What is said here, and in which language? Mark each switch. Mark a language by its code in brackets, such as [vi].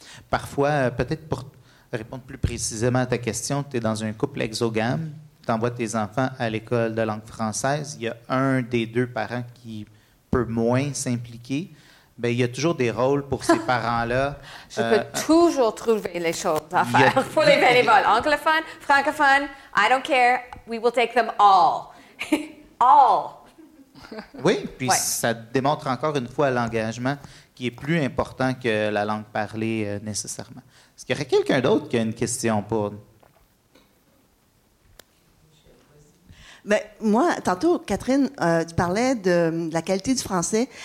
[fr] Parfois, peut-être pour répondre plus précisément à ta question, tu es dans un couple exogame, tu envoies tes enfants à l'école de langue française, il y a un des deux parents qui peut moins s'impliquer. bien, il y a toujours des rôles pour ces parents-là. Je peux toujours trouver les choses à faire pour les bénévoles. Anglophones, francophones, [en] I don't care. We will take them all. All. [fr] Oui, puis ouais. Ça démontre encore une fois l'engagement qui est plus important que la langue parlée nécessairement. Est-ce qu'il y aurait quelqu'un d'autre qui a une question pour nous? Bien, moi, tantôt, Catherine, tu parlais de la qualité du français.